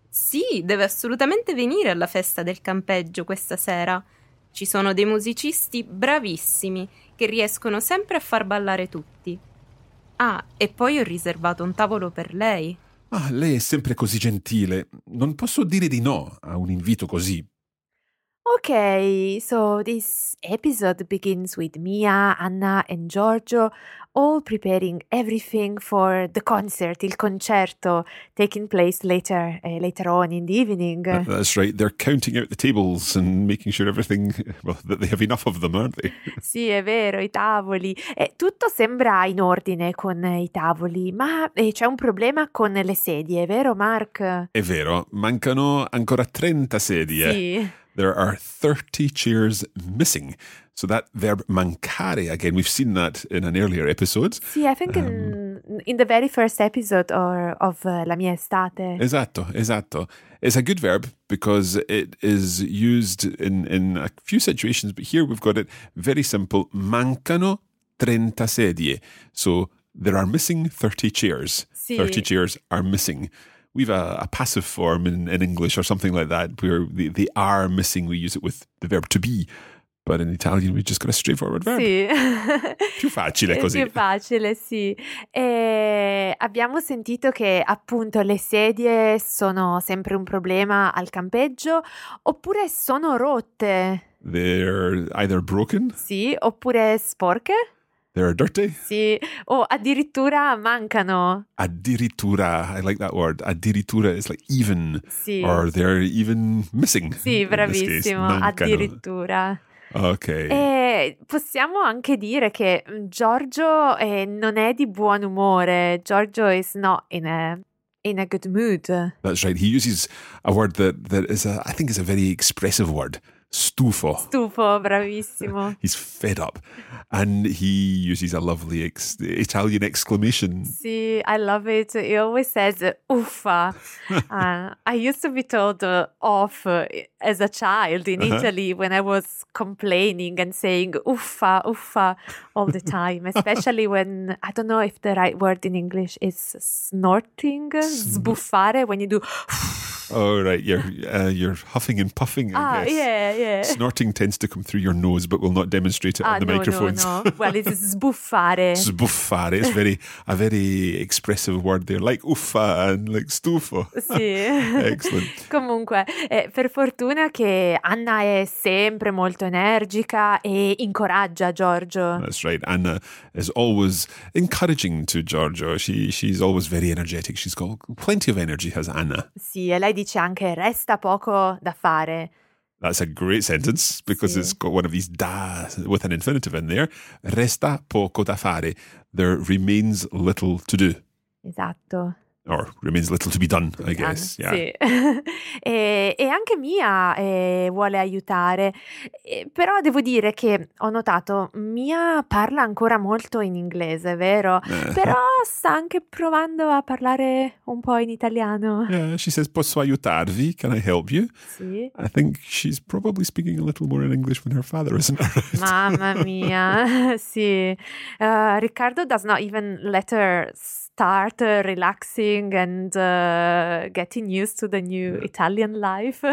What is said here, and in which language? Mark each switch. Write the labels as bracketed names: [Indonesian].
[Italian] Sì, deve assolutamente venire alla festa del campeggio questa sera. Ci sono dei musicisti bravissimi che riescono sempre a far ballare tutti. Ah, e poi ho riservato un tavolo per lei. Ah, lei è sempre così gentile. Non posso dire di no a un invito così. [English] Ok, so this episode begins with Mia, Anna and Giorgio all preparing everything for the concert, il concerto, taking place later on in the evening. That's right, they're counting out the tables and making sure everything, well, that they have enough of them, aren't they? [Italian] Sì, è vero, i tavoli. Tutto sembra in ordine con i tavoli, ma c'è un problema con le sedie, è vero, Mark? È vero, mancano ancora 30 sedie. Sì. [English] There are 30 chairs missing. So that verb mancare, again, we've seen that in an earlier episode. Sì, I think in the very first episode of La mia estate. [Italian] Esatto, esatto. [English] It's a good verb because it is used in a few situations, but here we've got it very simple. [Italian] Mancano 30 sedie. [English] So there are missing 30 chairs. [Italian] Sì. [English] 30 chairs are missing. We've a passive form in English or something like that where the are missing, we use it with the verb to be. But in Italian we've just got a straightforward verb. [Italian] Sì. Più facile così. Più facile, sì. E abbiamo sentito che appunto le sedie sono sempre un problema al campeggio oppure sono rotte. [English] They're either broken. [Italian] Sì, oppure sporche. [English] They're dirty? [Italian] Sì, o addirittura mancano. [English] Addirittura, I like that word. Addirittura is like even, [Italian] sì. [English] Or they're even missing. [Italian] Sì, bravissimo, addirittura. Ok. E possiamo anche dire che Giorgio non è di buon umore. [English] Giorgio is not in a good mood. That's right, he uses a word that is a, I think is a very expressive word. [Italian] Stufo. Stufo, bravissimo. [English] He's fed up. And he uses a lovely Italian exclamation. Sì, I love it. He always says, uffa. I used to be told off as a child in Italy when I was complaining and saying uffa, uffa all the time. Especially when, I don't know if the right word in English is snorting, sbuffare, when you do Oh, right. You're huffing and puffing, I guess. Yeah. Snorting tends to come through your nose, but we'll not demonstrate it on the microphones. No. Well, it's sbuffare. [Italian] Sbuffare. [English] It's a very expressive word there, like uffa and like stufo. [Italian] Sì. [English] Excellent. [Italian] Comunque, per fortuna che Anna è sempre molto energica e incoraggia Giorgio. [English] That's right. Anna is always encouraging to Giorgio. She's always very energetic. She's got plenty of energy, has Anna. [Italian] Sì. Lei dice anche resta poco da fare. [English] That's a great sentence because sì. It's got one of these da with an infinitive in there. [Italian] Resta poco da fare. [English] There remains little to do. [Italian] Esatto. [English] Or remains little to be done, I guess. Yeah. [Italian] Sì. e anche Mia vuole aiutare. Però devo dire che ho notato Mia parla ancora molto in inglese, vero? Però sta anche provando a parlare un po' in italiano. [English] Yeah, she says, [Italian] posso aiutarvi? [English] Can I help you? [Italian] Sì. [English] I think she's probably speaking a little more in English when her father isn't around. [Italian] Mamma mia, sì. [English] Riccardo does not even let her start relaxing and getting used to the new Italian life.